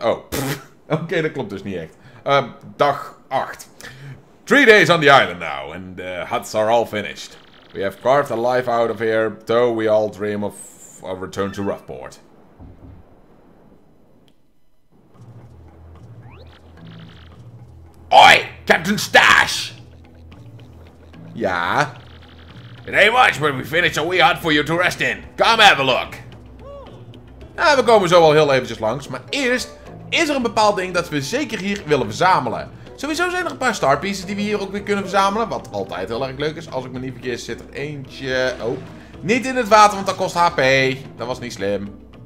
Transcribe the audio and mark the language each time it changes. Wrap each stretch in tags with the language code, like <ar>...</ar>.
<nl>Oh, okay, dat klopt dus niet echt. Dag 8.</nl> <en>3 days on the island now, and the huts are all finished. We have carved a life out of here, though we all dream of a return to Roughport. Oi! Captain Stash! Yeah? It ain't much, but we finished a wee hut for you to rest in. Come have a look.</en> <nl>Ah, we komen zo wel heel eventjes langs, maar eerst is er een bepaald ding dat we zeker hier willen verzamelen. Sowieso zijn er een paar star pieces die we hier ook weer kunnen verzamelen, wat altijd heel erg leuk is. Als ik me niet vergis, zit er eentje... Oh, niet in het water, want dat kost HP. Dat was niet slim.</nl>